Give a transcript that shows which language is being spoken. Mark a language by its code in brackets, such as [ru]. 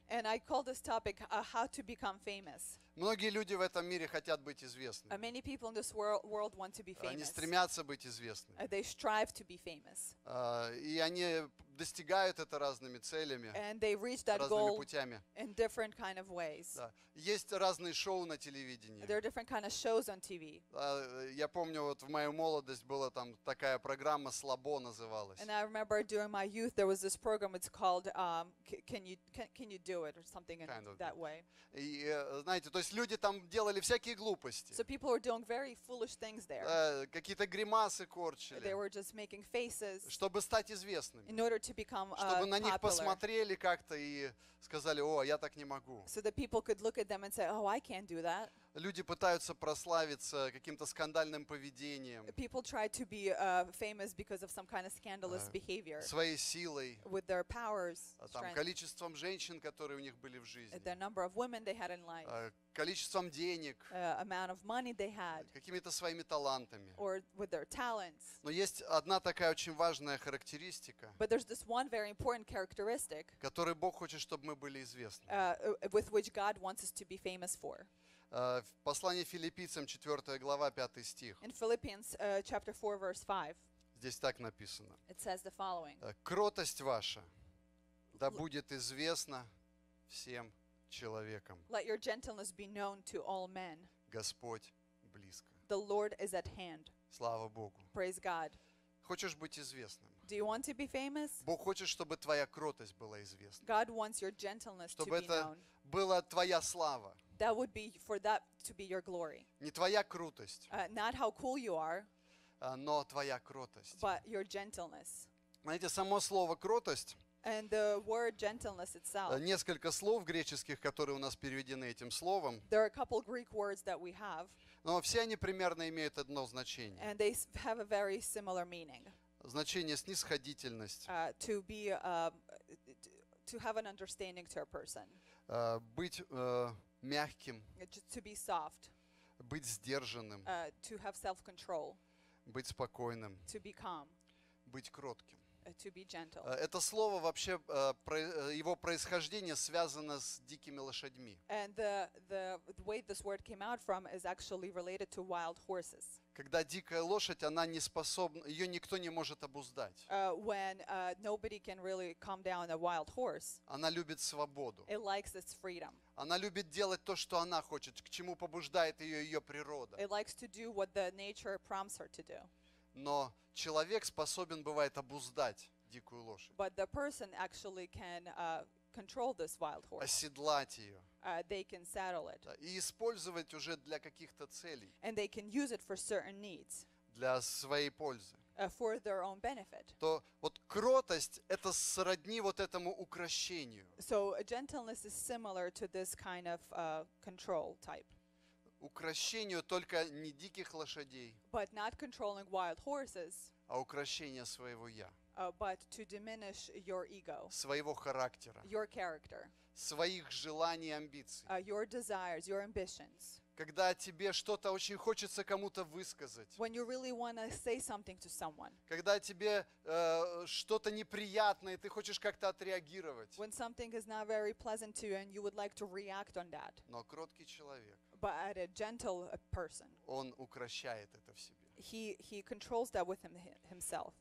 [en] And I call this topic, how to become famous. [ru] Многие люди в этом мире хотят быть известными. [en] Many people in this world want to be famous. [ru] Они стремятся быть известными. [en] They strive to be famous. [ru] И они достигают это разными целями, [en] and they reach that [ru] разными [en] goal [ru] путями. [en] In different kind of ways. [ru] Да. Есть разные шоу на телевидении. [en] There are different kind of shows on TV. [ru] Я помню, вот в мою молодость была там такая программа «Слабо» называлась. [en] And I remember during my youth there was this program. It's called can you do it or something kind in that way. [ru] И, знаете, то есть люди там делали всякие глупости. [en] So people were doing very foolish things there. [ru] Какие-то гримасы корчили. [en] They were just making faces. [ru] Чтобы стать известными. [en] In order to become popular. [ru] Чтобы на них посмотрели как-то и сказали: «О, я так не могу». [en] So that people could look at them and say, oh, I can't do that. [ru] Люди пытаются прославиться каким-то скандальным поведением. [en] People try to be famous because of some kind of scandalous behavior. [ru] Своей силой. [en] With their powers. [ru] Там, количеством женщин, которые у них были в жизни. [en] The number of women they had in life. [ru] Количеством денег. [en] Amount of money they had. [ru] Какими-то своими талантами. [en] Or with their talents. [ru] Но есть одна такая очень важная характеристика. [en] But there's this one very important characteristic. [ru] Которой Бог хочет, чтобы мы были известны. [en] With which God wants us to be famous for. [ru] В послании Филиппийцам, 4 глава, 5 стих. [en] In Philippians, chapter 4, verse 5, [ru] здесь так написано. [en] It says the following. [ru] Кротость ваша да будет известна всем человекам. [en] Let your gentleness be known to all men. [ru] Господь близко. [en] The Lord is at hand. [ru] Слава Богу. [en] Praise God. [ru] Хочешь быть известным? [en] Do you want to be famous? [ru] Бог хочет, чтобы твоя кротость была известна. [en] God wants your gentleness [ru] чтобы [en] to be known. [ru] Чтобы это была твоя слава. [en] That would be for that to be your glory. [ru] Не твоя крутость. [en] Not how cool you are. [ru] Но твоя кротость. [en] But your gentleness. [ru] Знаете, само слово кротость. [en] And the word gentleness itself. [ru] Несколько слов греческих, которые у нас переведены этим словом. [en] There are a couple Greek words that we have. [ru] Но все они примерно имеют одно значение. [en] And they have a very similar meaning. [ru] Значение снисходительность. [en] To be to have an understanding to a person. [ru] Быть мягким, [en] to be soft, [ru] быть сдержанным, [en] to have self-control, [ru] быть спокойным, [en] to be calm, [ru] быть кротким, [en] to be gentle. [ru] Это слово вообще, его происхождение связано с дикими лошадьми. [en] And the way this word came out from is actually related to wild horses. [ru] Когда дикая лошадь, она не способна, ее никто не может обуздать. [en] When nobody can really calm down a wild horse. [ru] Она любит свободу. [en] It likes its freedom. [ru] Она любит делать то, что она хочет, к чему побуждает ее ее природа. [en] It likes to do what the nature prompts her to do. [ru] Но человек способен, бывает, обуздать дикую лошадь. [en] But the person actually can control this wild horse. [ru] Оседлать ее. [en] They can saddle it. [ru] И использовать уже для каких-то целей. [en] And they can use it for certain needs. [ru] Для своей пользы. [en] For their own benefit. [ru] То вот кротость — это сродни вот этому укрощению. [en] So gentleness is similar to this kind of control type. [ru] Укрощению только не диких лошадей. [en] But not controlling wild horses. [ru] А укрощение своего я. [en] But to diminish your ego. [ru] Своего характера. [en] Your character. [ru] Своих желаний и амбиций. [en] Your desires, your ambitions. [ru] Когда тебе что-то очень хочется кому-то высказать. [en] When you really want to say something to someone. [ru] Когда тебе что-то неприятное, ты хочешь как-то отреагировать. [en] When something is not very pleasant to you and you would like to react on that. [ru] Но кроткий человек. [en] But a gentle person. [ru] Он укрощает это в себе. [en] He controls that within himself.